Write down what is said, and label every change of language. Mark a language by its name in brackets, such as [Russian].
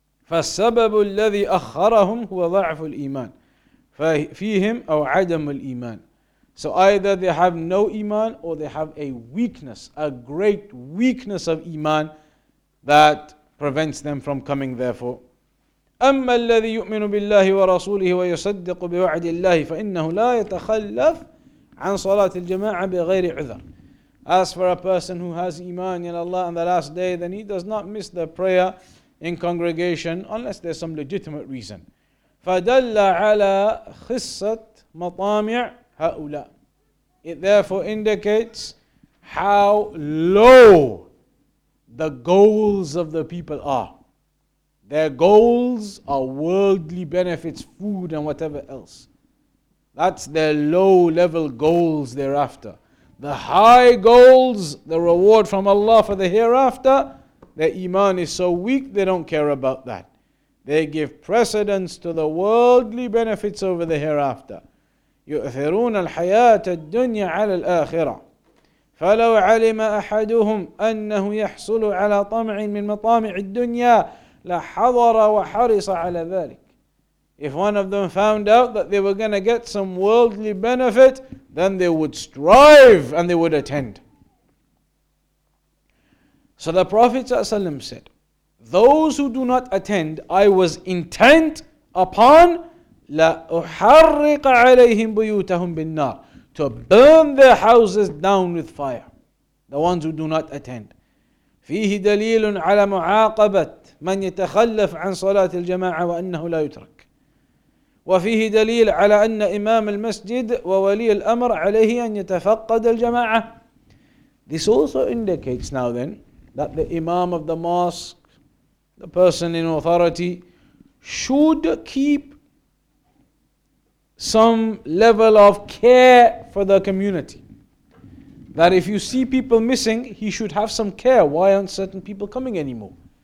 [Arabic] فَالسَّبَبُ الَّذِي أَخَّرَهُمْ هُوَ ضَعْفُ الْإِيمَانِ فَيْهِمْ أَوْ عَدَمُ الْإِيمَانِ. [English] So either they have no iman or they have a weakness, a great weakness of iman that prevents them from coming therefore. [Arabic] أما الذي يؤمن بالله ورسوله ويصدق بوعد الله فإنه لا يتخلف عن صلاة الجماعة بغير عذر. [English] As for a person who has iman in Allah on the last day, then he does not miss the prayer in congregation unless there's some legitimate reason. [Arabic] فدل على خصة مطامع هؤلاء. [English] It therefore indicates how low the goals of the people are. Their goals are worldly benefits, food and whatever else. That's their low level goals thereafter. The high goals, the reward from Allah for the hereafter, their iman is so weak they don't care about that. They give precedence to the worldly benefits over the hereafter. [Arabic] يؤثرون الحياة الدنيا على الآخرة. فلو علم أحدهم أنه يحصل على طمع من مطامع الدنيا لحضر وحرص على ذلك. [English] If one of them found out that they were going to get some worldly benefit, then they would strive and they would attend. So the Prophet ﷺ said, those who do not attend, I was intent upon [Arabic] لَأُحَرِّقَ عَلَيْهِمْ بُيُوتَهُمْ بِالنَّارِ, [English] to burn their houses down with fire, the ones who do not attend. [Arabic] فيه دليل على معاقبة من يتخلف عن صلاة الجماعة وأنه لا يترك. وفيه دليل على أن إمام المسجد وولي الأمر عليه أن يتفقد الجماعة. [English] This also indicates now then that the Imam of the mosque, the person in authority, should keep some level of care for the community. that if you see people missing, he should have some care. Why aren't certain people coming anymore?